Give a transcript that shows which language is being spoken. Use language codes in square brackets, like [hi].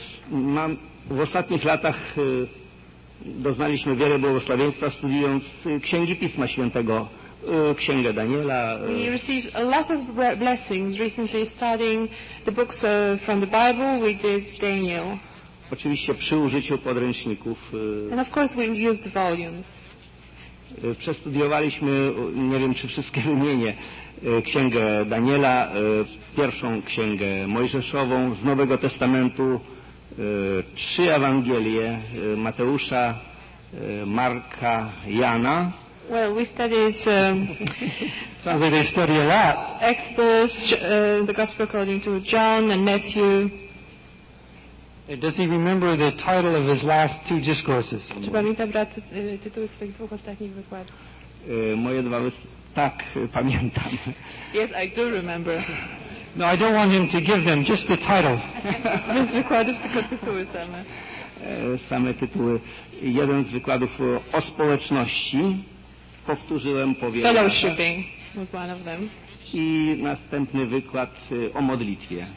[pl] Mam w ostatnich latach doznaliśmy wiele błogosławieństwa studiując Księgi Pisma Świętego. Księgę Daniela. [en] We received a lot of blessings recently studying the books from the Bible. We did Daniel. [pl] Oczywiście przy użyciu podręczników. [en] And of course we used the volumes. [pl] Przestudiowaliśmy, nie wiem czy wszystkie wymienię, Księgę Daniela, pierwszą Księgę Mojżeszową, z Nowego Testamentu, trzy Ewangelie, Mateusza, Marka, Jana. [en] Well, we studied. Sounds like they study a lot. Exodus, the Gospel according to John and Matthew. Does he remember the title of his last two discourses? [pl] Czy pamięta brat tytuły swoich dwóch ostatnich wykładów? Moje dwa wykłady. Tak, pamiętam. [en] Yes, I do remember. No, I don't want him to give them just the titles. [pl] Bez wykładów, tylko tytuły same. Same tytuły. Jeden z wykładów o społeczności. Powtórzyłem, powiem. [en] Fellowshipping was one of them. [pl] I następny wykład o modlitwie.